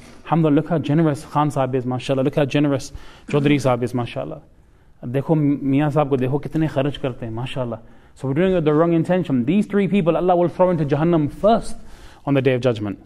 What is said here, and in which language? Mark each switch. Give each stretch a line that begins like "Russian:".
English: Alhamdulillah, look how generous Khan sahib is, mashallah. Look how generous Chaudhary sahib is, mashallah.
Urdu: دیکھو، میاں صاحب کو دیکھو کتنے خرج کرتے، ماشاءاللہ.
English: So we're doing it with the wrong intention. These three people, Allah will throw into Jahannam first on the Day of Judgment.